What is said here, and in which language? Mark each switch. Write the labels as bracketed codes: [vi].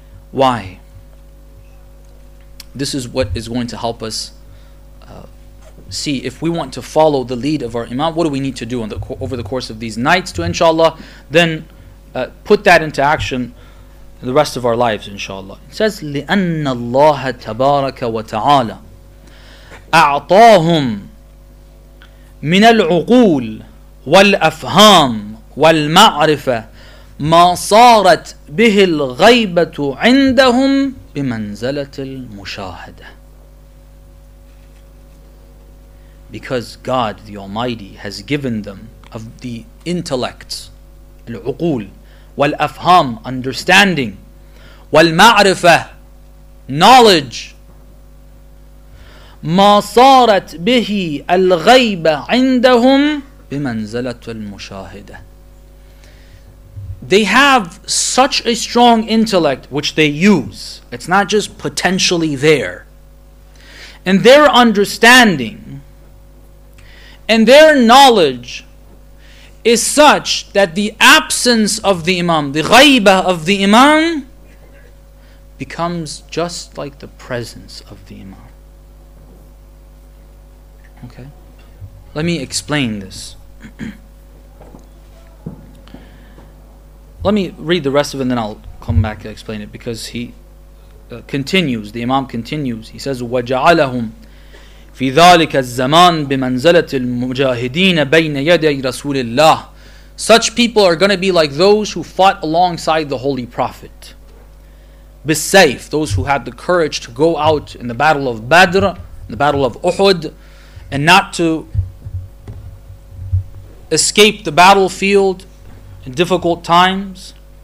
[en] Why? This is what is going to help us see if we want to follow the lead of our imam. What do we need to do over the course of these nights to, inshallah, then put that into action the rest of our lives, inshallah. It says, [ar] لِأَنَّ اللَّهَ تَبَارَكَ وَتَعَالَى أَعْطَاهُمْ من العقول والأفهام والمعرفة ما صارت به الغيبة عندهم بمنزلة المشاهدة. [en] Because God the Almighty has given them of the intellect, [ar] العقول والأفهام, [en] understanding, [ar] والمعرفة, [en] knowledge, [ar] ما صارت به الغيبة عندهم بمنزلة المشاهدة. [en] They have such a strong intellect which they use. It's not just potentially there. And their understanding and their knowledge is such that the absence of the imam, the غيبة of the imam, becomes just like the presence of the imam. Okay, let me explain this. Let me read the rest of it and then I'll come back to explain it, because he continues, the Imam continues. He says, [ar] وَجَعَلَهُمْ فِي ذَلِكَ الزَّمَانِ بِمَنْزَلَةِ الْمُجَاهِدِينَ بَيْنَ يَدَيْ رَسُولِ اللَّهِ. [en] Such people are going to be like those who fought alongside the Holy Prophet. بالسيف, those who had the courage to go out in the battle of Badr, in the battle of Uhud, and not to escape the battlefield in difficult times.